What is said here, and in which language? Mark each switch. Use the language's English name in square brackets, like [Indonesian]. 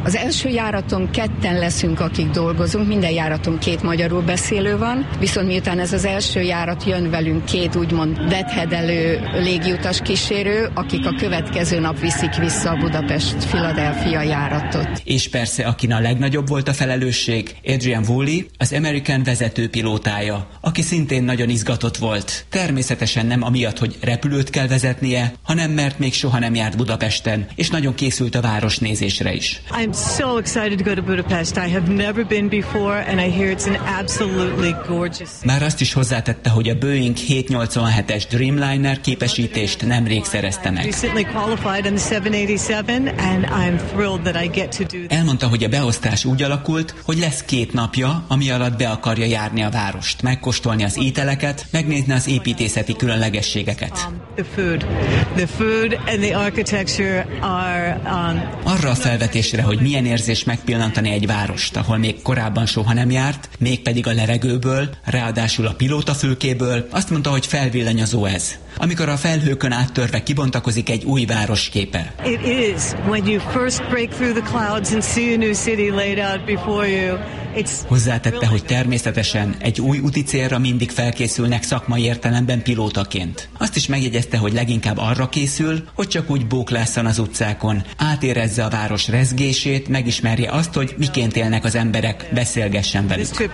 [Hungarian] Az első járaton 2 leszünk, akik dolgozunk, minden járaton 2 magyarul beszélő van, viszont miután ez az első járat jön velünk 2 úgymond vethedelő légiutas kísérő, akik a következő nap viszik vissza a Budapest-Philadelphia járatot. És persze, akin a legnagyobb volt a felelősség, Adrian Woolley, az American vezető pilótája, aki szintén nagyon izgatott volt. Természetesen nem amiatt, hogy repülőt kell vezetnie, hanem mert még soha nem járt Budapesten, és nagyon készült a város nézésre is. [English] I'm so excited to go to Budapest. I have never been before, and I hear it's an absolutely gorgeous. [Hungarian] Már azt is hozzátette, hogy a Boeing 787-es Dreamliner képesítést nemrég szerezte meg. [English] Recently qualified on the 787, and I'm thrilled that I get to do. [Hungarian] Elmondta, hogy a beosztás úgy alakult, hogy lesz 2 napja, ami alatt be akarja járni a várost, megkóstolni az ételeket, megnézni az építészeti különlegességeket. Arra a felvetésre, hogy milyen érzés megpillantani egy várost, ahol még korábban soha nem járt, mégpedig a levegőből, ráadásul a pilótafülkéből, azt mondta, hogy felvillanyozó ez. Amikor a felhőkön áttörve kibontakozik egy új városképe. [English] It is when you first break through the clouds and see a new city laid out before you. [Hungarian] Hozzátette, hogy természetesen egy új úti célra mindig felkészülnek szakmai értelemben pilótaként. Azt is megjegyezte, hogy leginkább arra készül, hogy csak úgy bóklásszon az utcákon, átérezze a város rezgését, megismerje azt, hogy miként élnek az emberek, beszélgessen velük.